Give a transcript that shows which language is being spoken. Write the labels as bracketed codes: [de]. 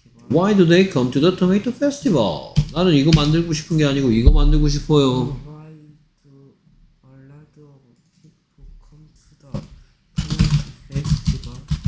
[en] Why do they come to the tomato festival? Why do they come to the tomato festival? [ko] 나는 이거 만들고 싶은 게 아니고 이거 만들고 싶어요. [en] Why do a lot of people come to the tomato festival?